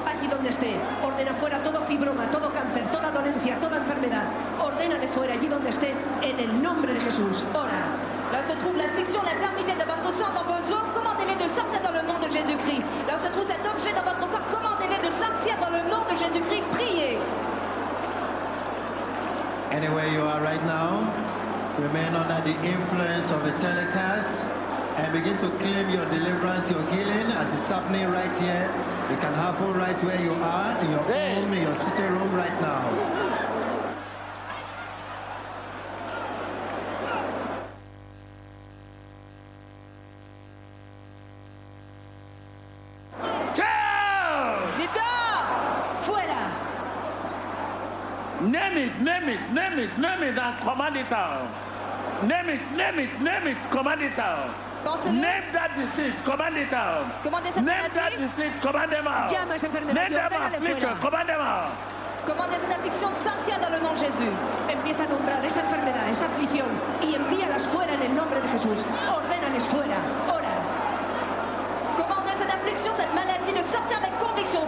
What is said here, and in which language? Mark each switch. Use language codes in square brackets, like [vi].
[es] Donde esté, ordena fuera todo fibroma, todo cáncer, toda dolencia, toda enfermedad. Ordénale fuera allí donde esté, en el nombre de Jesús. Ora. [fr] Là se trouve l'affliction, l'infirmité de votre sang dans vos os. Commandez-le de sortir dans le nom de Jésus-Christ. Là se trouve cet objet dans votre corps. Commandez-le de sortir dans le nom de Jésus-Christ. Priez. [en] Anywhere you are right now, remain under the influence of the telecast and begin to claim your deliverance, your healing, as it's happening right here. It can happen right where you are, in your home, in your sitting room right now. [es] Fuera! [en] Name it, name it, name it, name it, and command it out. Name it, name it, name it, command it out. Name that disease, command it out. Name that disease, command them out. Name them affliction, command them out. [fr] Command esa affliction, sortir dans le nom de Jésus. [es] Empieza a nombrar esa enfermedad, esa aflicción, y envíalas fuera en el nombre de Jesús. Ordénales fuera, ora. [fr] Command esa affliction, cette maladie, de sortir avec conviction.